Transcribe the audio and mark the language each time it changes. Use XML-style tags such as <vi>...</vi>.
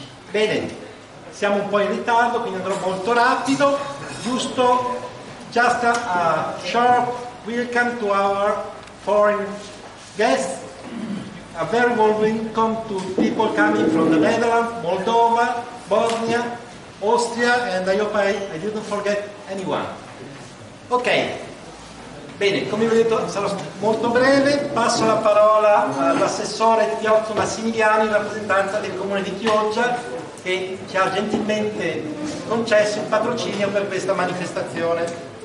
<it>Bene, siamo un po' in ritardo, quindi andrò molto rapido.</it> <en>Giusto, just a short welcome to our foreign guests. A very warm welcome to people coming from the Netherlands, Moldova, Bosnia, Austria, and I hope I didn't forget anyone.</en> <it>Ok, bene, come vi ho detto sarò molto breve, passo la parola all'assessore Tiozzo Massimiliano in rappresentanza del Comune di Chioggia, che ci ha gentilmente concesso il patrocinio per questa manifestazione.</it>